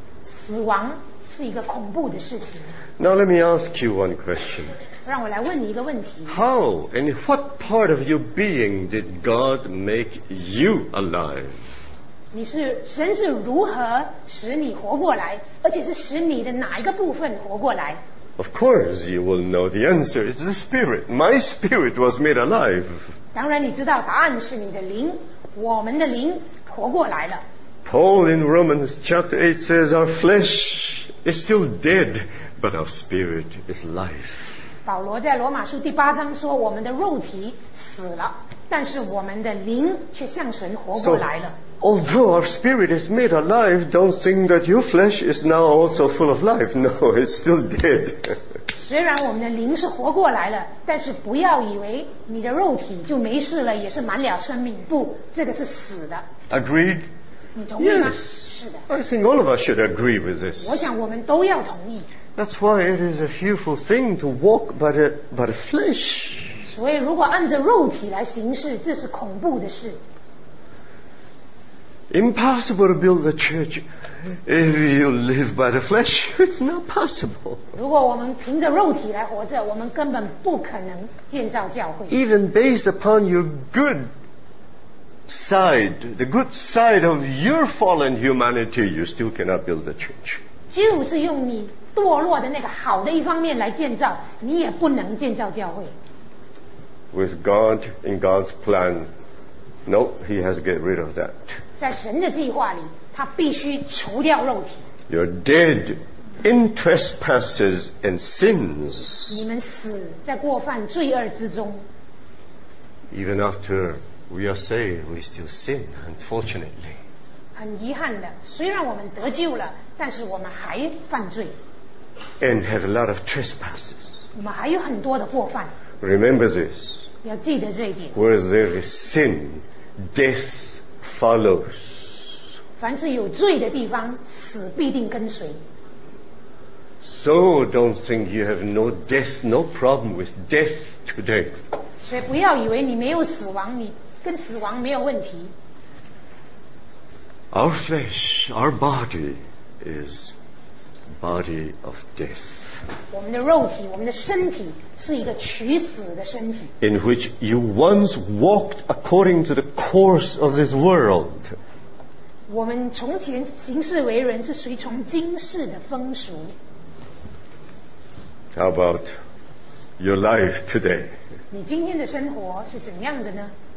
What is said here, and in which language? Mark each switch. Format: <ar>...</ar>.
<zh>死亡是一个恐怖的事情。</zh> <en>Now let me ask you one question.</en> <zh>让我来问你一个问题。</zh> <en>How and what part of your being did God make you alive?</en> <zh>你是神是如何使你活过来，而且是使你的哪一个部分活过来？</zh> <en>Of course, you will know the answer. It's the spirit. My spirit was made alive.</en> <zh>当然，你知道答案是你的灵，我们的灵活过来了。</zh> <en>Paul in Romans chapter 8 says, "Our flesh is still dead, but our spirit is life."</en> <zh>保罗在罗马书第八章说我们的肉体死了但是我们的灵却向神活过来了</zh> <en>so, although our spirit is made alive don't think that your flesh is now also full of life no it's still dead</en> <zh>虽然我们的灵是活过来了但是不要以为你的肉体就没事了也是满了生命不这个是死的</zh> <en>agreed</en> <zh>你同意吗</zh> <en>yes,</en> <zh>是的</zh> <en>I think all of us should agree with this</en> <zh>我想我们都要同意</zh> <en>That's why it is a fearful thing to walk by the flesh.</en> <zh>所以如果按着肉体来行事，这是恐怖的事。</zh> <en>Impossible to build a church if you live by the flesh. It's not possible.</en> <zh>如果我们凭着肉体来活着，我们根本不可能建造教会。</zh> <en>Even based upon your good side, the good side of your fallen humanity, you still cannot build a church.</en> <zh>就是用你。堕落的那个好的一方面来建造，你也不能建造教会。</zh> <en>With God in God's plan, no, He has to get rid of that.</en> <zh>在神的计划里，他必须除掉肉体。</zh> <en>You're dead in trespasses and sins.</en> <zh>你们死在过犯罪恶之中。</zh> <en>Even after we are saved, we still sin. Unfortunately.</en> <zh>很遗憾的，虽然我们得救了，但是我们还犯罪。</zh> <en>And have a lot of trespasses.</en> <zh>我们还有很多的过犯。</zh> <en>Remember this.</en> <zh>要记得这一点。</zh> <en>Where there is sin, death follows.</en> <zh>凡是有罪的地方，死必定跟随。</zh> <en>So don't think you have no death, no problem with death today.</en> <zh>所以不要以为你没有死亡，你跟死亡没有问题。</zh> <en>Our flesh, our body is body of death.</en> <zh>我们的肉体，我们的身体是一个取死的身体。</zh> <en>In which you once walked according to the course of this world.</en> <zh>我们从前行事为人是随从今世的风俗。</zh> <en>How about your life today?</en> <zh>你今天的生活是怎样的呢？</zh>